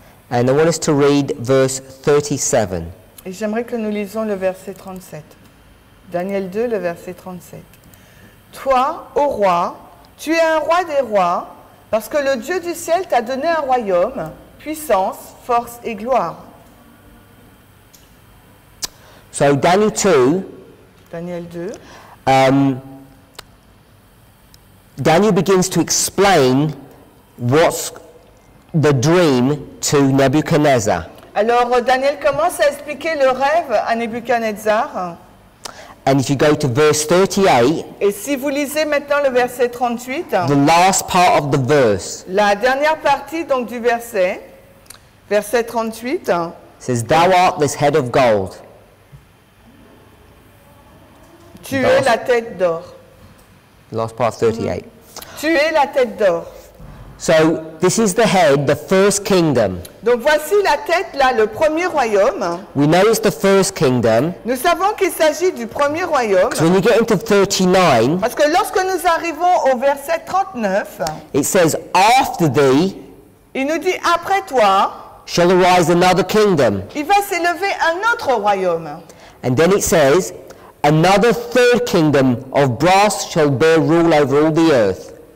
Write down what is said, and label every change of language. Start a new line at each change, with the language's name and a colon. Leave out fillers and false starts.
English: And I want us to read verse 37.
French: Et j'aimerais que nous lisions le verset 37. Daniel 2, le verset 37. Toi, ô roi, tu es un roi des rois, parce que le Dieu du ciel t'a donné un royaume, puissance, force et gloire.
English: So Daniel 2.
French: Daniel 2.
English: Daniel begins to explain what's the dream to Nebuchadnezzar.
French: Alors Daniel commence à expliquer le rêve à Nebuchadnezzar.
English: And if you go to verse 38,
French: et si vous lisez maintenant le verset 38,
English: the last part of the verse,
French: la dernière partie donc du verset, verset 38,
English: says, "Thou art this head of gold."
French: Tu es la tête d'or.
English: Last part of 38.
French: Tu es la tête d'or.
English: So this is the head, the first kingdom.
French: Donc voici la tête là, le premier royaume.
English: We know it's the first kingdom.
French: Nous savons qu'il s'agit du premier royaume.
English: When you get into 39,
French: parce que lorsque nous arrivons au verset 39,
English: it says, "After thee,"
French: il nous dit après toi,
English: "shall arise another kingdom."
French: Il va s'élever un autre royaume.
English: And then it says, "Another third kingdom of brass shall bear rule over all the earth."